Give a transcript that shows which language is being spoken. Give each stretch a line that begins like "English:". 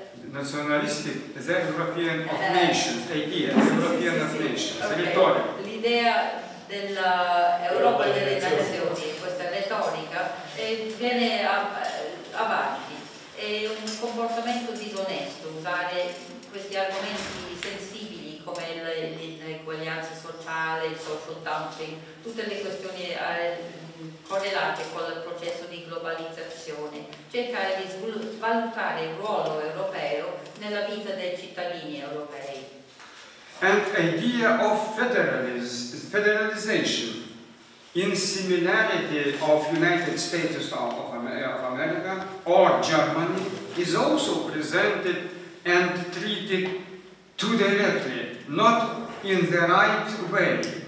English: Nazionalistic, the European of Nations, idea, European of Nations, okay. Rhetoric.
Italian: L'idea dell'Europa delle Nazioni, questa retorica, viene avanti. È un comportamento disonesto usare questi argomenti sensibili come l'eguaglianza sociale, il social dumping, tutte le questioni correlate con il processo di globalizzazione, cercare di svalutare il ruolo europeo nella vita dei cittadini europei.
English: And idea of federalization, in similarity of United States of America or Germany, is also presented and treated too directly, not in the right way.